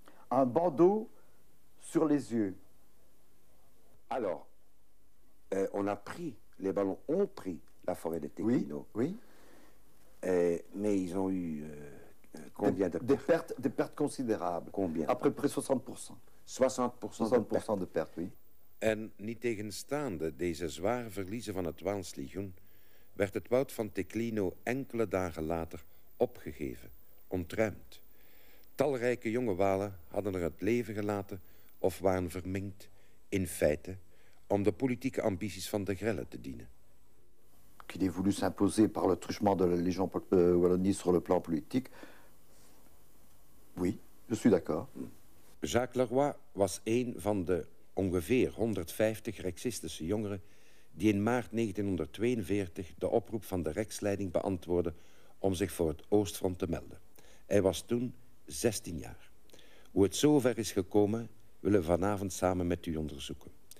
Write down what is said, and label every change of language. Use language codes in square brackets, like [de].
[fr] Un bandeau sur les yeux. Alors, les ballons ont pris la forêt de Tequino. Oui. Mais ils ont eu combien de pertes? Des pertes considérables. Combien? À peu près 60%. 60% de pertes, oui. [nl] En niettegenstaande deze zware verliezen van het Waals Legioen, werd het woud van Tequino enkele dagen later opgegeven, ontruimd. Talrijke jonge Walen hadden er het leven gelaten of waren verminkt, in feite, om de politieke ambities van de Grellen te dienen. [fr] Qu'il ait voulu s'imposer par le truchement de la Légion Wallonie sur le plan politique. Oui, je suis d'accord. [nl] Jacques Leroy was een van de ongeveer 150 rexistische jongeren die in maart 1942 de oproep van de rexleiding beantwoordde om zich voor het Oostfront te melden. Hij was toen 16 jaar. Hoe het zover is gekomen, willen we vanavond samen met u onderzoeken.